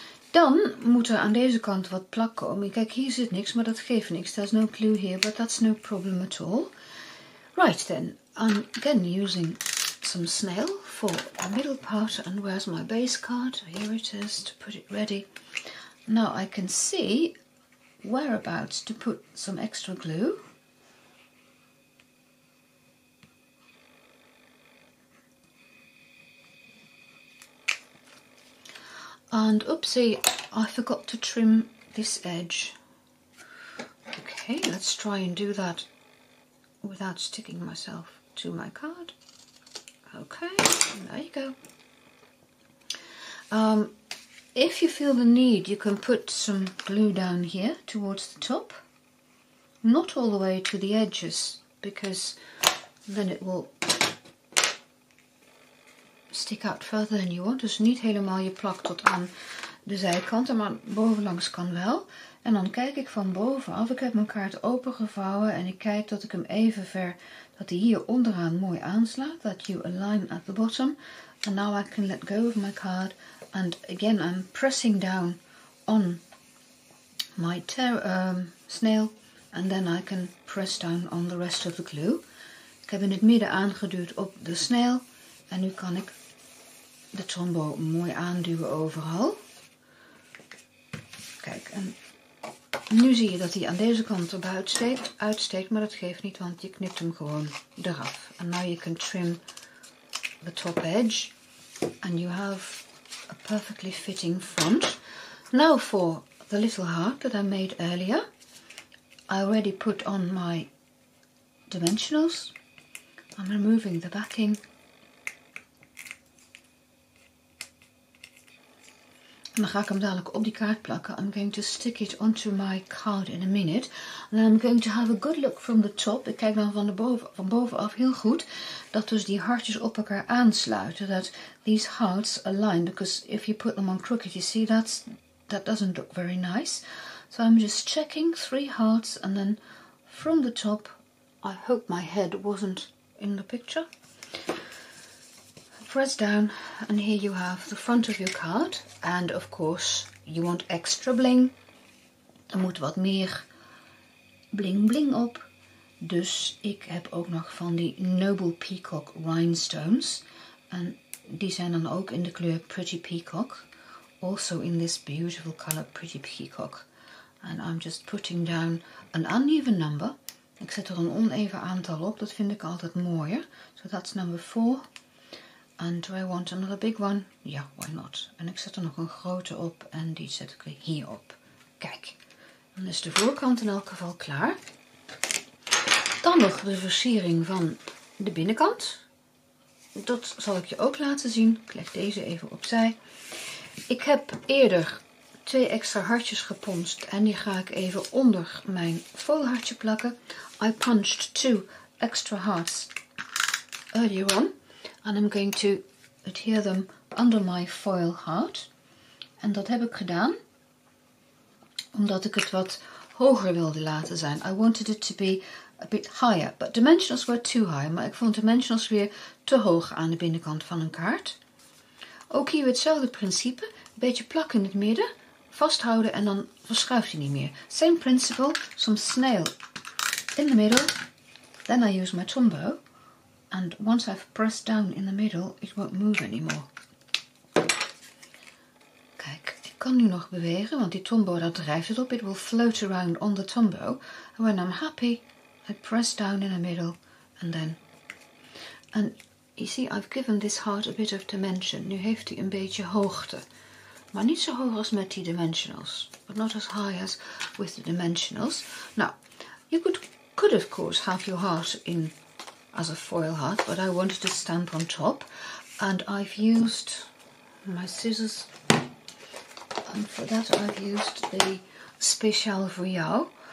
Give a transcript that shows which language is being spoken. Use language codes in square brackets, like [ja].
[nl] Dan moet er aan deze kant wat plak komen. Kijk, hier zit niks, maar dat geeft niks. [en] There's no glue here, but that's no problem at all. Right then, I'm again using some snail for the middle part. And where's my base card? Here it is, to put it ready. Now I can see whereabouts to put some extra glue. And oopsie, I forgot to trim this edge. Okay, let's try and do that without sticking myself to my card. Okay, there you go. If you feel the need, you can put some glue down here towards the top. Not all the way to the edges, because then it will stick out further than you want. [nl] Dus niet helemaal je plak tot aan de zijkanten, maar bovenlangs kan wel. En dan kijk ik van bovenaf. Ik heb mijn kaart opengevouwen en ik kijk dat ik hem even ver, dat hij hier onderaan mooi aanslaat. [en] That you align at the bottom. And now I can let go of my card. And again, I'm pressing down on my snail. And then I can press down on the rest of the glue. [nl] Ik heb in het midden aangeduwd op de snail. En nu kan ik de Tombow mooi aanduwen overal. Kijk, en nu zie je dat hij aan deze kant erbuiten uitsteekt. Maar dat geeft niet, want je knipt hem gewoon eraf. [en] And now you can trim the top edge. And you have a perfectly fitting front. Now for the little heart that I made earlier. I already put on my dimensionals. I'm removing the backing. [nl] En dan ga ik hem dadelijk op die kaart plakken. [en] I'm going to stick it onto my card in a minute. And then I'm going to have a good look from the top. [nl] Ik kijk dan van bovenaf heel goed. Dat dus die hartjes op elkaar aansluiten. [en] That these hearts align. Because if you put them on crooked, you see that doesn't look very nice. So I'm just checking three hearts. And then from the top, I hope my head wasn't in the picture. Press down and here you have the front of your card. And of course, you want extra bling. [nl] Er moet wat meer bling bling op. Dus ik heb ook nog van die Noble Peacock rhinestones. En die zijn dan ook in de kleur Pretty Peacock. [en] Also in this beautiful color Pretty Peacock. And I'm just putting down an uneven number. [nl] Ik zet er een oneven aantal op. Dat vind ik altijd mooier. [en] So that's number 4. And do I want another big one? Yeah, why not? [nl] En ik zet er nog een grote op en die zet ik weer hier op. Kijk, dan is de voorkant in elk geval klaar. Dan nog de versiering van de binnenkant. Dat zal ik je ook laten zien. Ik leg deze even opzij. Ik heb eerder 2 extra hartjes geponst en die ga ik even onder mijn foilhartje plakken. [en] I punched 2 extra hearts earlier on. And I'm going to adhere them under my foil heart. [nl] En dat heb ik gedaan omdat ik het wat hoger wilde laten zijn. [en] I wanted it to be a bit higher. But dimensionals were too high. [nl] Maar ik vond dimensionals weer te hoog aan de binnenkant van een kaart. Ook hier hetzelfde principe. Een beetje plak in het midden. Vasthouden en dan verschuift hij niet meer. [en] Same principle. Some snail in the middle. Then I use my Tombow. And once I've pressed down in the middle, it won't move anymore. [nl] Kijk, ik kan nu nog bewegen, want die Tombow dat drijft het op. [en] It will float around on the Tombow. And when I'm happy, I press down in the middle. And then, and you see, I've given this heart a bit of dimension. [nl] Nu heeft hij een beetje hoogte. Maar niet zo hoog als met die dimensionals. [en] But not as high as with the dimensionals. Now, you could of course have your heart in as a foil heart, but I wanted to stamp on top, and I've used my scissors, and for that I've used the Speciaal voor jou.